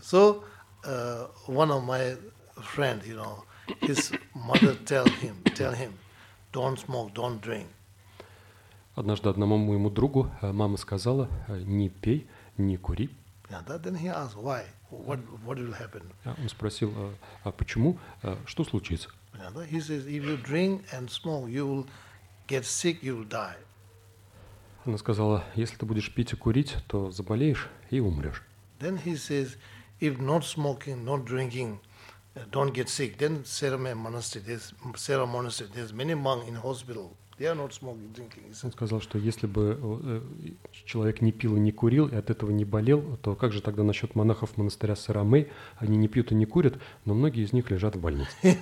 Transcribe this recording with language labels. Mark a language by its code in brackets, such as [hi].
[en] So one of my friend, you know, his mother tell him, don't smoke, don't drink. [ru] Однажды одному моему другу мама сказала: не пей, не кури. [en] Yeah, that, then he asked, why? What will happen? [ru] Он спросил, а почему? Что случится? [en] Yeah, that, he says, if you drink and smoke, you will get sick, you will die. [ru] Она сказала, если ты будешь пить и курить, то заболеешь и умрешь. [en] Then he says, if not smoking, not drinking, don't get sick. Then Sera monastery, there's many monks in hospital. They are not smoking, drinking. [ru] Он сказал, что если бы человек не пил и не курил, и от этого не болел, то как же тогда насчет монахов монастыря Сарамей? Они не пьют и не курят, но многие из них лежат в больнице.